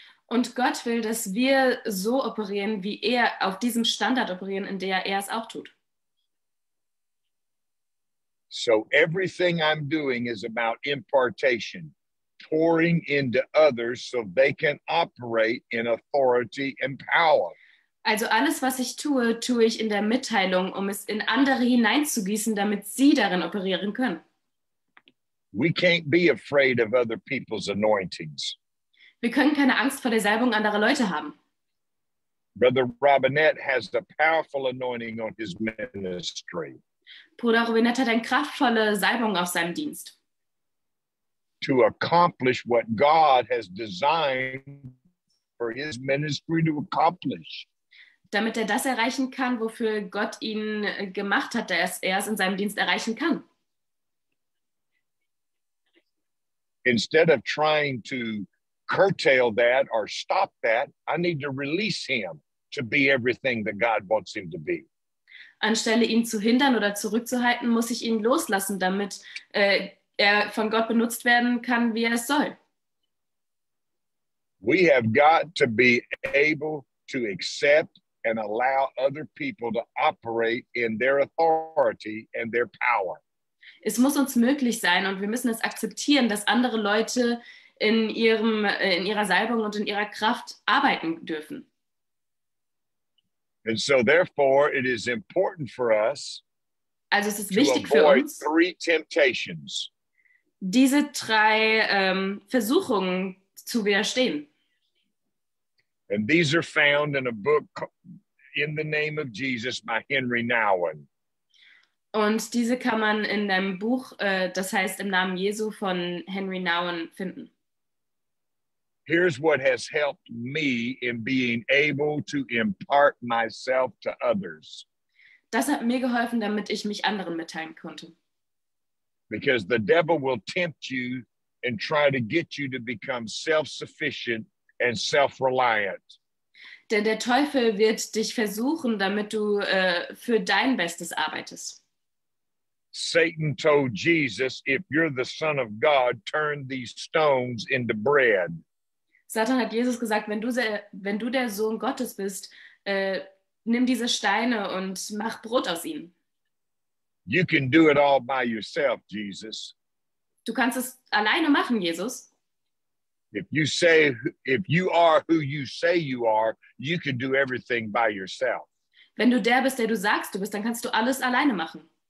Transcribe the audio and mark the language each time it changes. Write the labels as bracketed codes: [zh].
[de] Und Gott will, dass wir so operieren, wie er, auf diesem Standard operieren, in der er es auch tut. [en] So everything I'm doing is about impartation, pouring into others so they can operate in authority and power. [de] Also alles, was ich tue, tue ich in der Mitteilung, um es in andere hineinzugießen, damit sie darin operieren können. [en] We can't be afraid of other people's anointings. [de] Wir können keine Angst vor der Salbung anderer Leute haben. [en] Brother Robinette has a powerful anointing on his ministry. [de] Bruder Robinette hat eine kraftvolle Salbung auf seinem Dienst. [en] To accomplish what God has designed for his ministry to accomplish. [de] Damit er das erreichen kann, wofür Gott ihn gemacht hat, dass er es in seinem Dienst erreichen kann. [en] Instead of trying to curtail that or stop that, I need to release him to be everything that God wants him to be. [de] Anstelle ihn zu hindern oder zurückzuhalten, muss ich ihn loslassen, damit er von Gott benutzt werden kann, wie er es soll. [en] We have got to be able to accept and allow other people to operate in their authority and their power. [de] Es muss uns möglich sein und wir müssen es akzeptieren, dass andere Leute in ihrer Salbung und in ihrer Kraft arbeiten dürfen. [en] And so therefore it is important for us, [de] also es ist wichtig für uns, [en] three temptations, [de] diese drei Versuchungen zu widerstehen. [en] And these are found in a book in the name of Jesus by Henry Nouwen. [de] Und diese kann man in einem Buch, das heißt im Namen Jesu von Henry Nouwen, finden. [en] Here's what has helped me in being able to impart myself to others. [de] Das hat mir geholfen, damit ich mich anderen mitteilen konnte. [en] Because the devil will tempt you and try to get you to become self-sufficient and self-reliant. [de] Denn der Teufel wird dich versuchen, damit du für dein Bestes arbeitest. [en] Satan told Jesus, if you're the Son of God, turn these stones into bread. [de] Satan hat Jesus gesagt, wenn du der Sohn Gottes bist, nimm diese Steine und mach Brot aus ihnen. [en] You can do it all by yourself, Jesus. [de] Du kannst es alleine machen, Jesus. Wenn du der bist, der du sagst, du bist, dann kannst du alles alleine machen.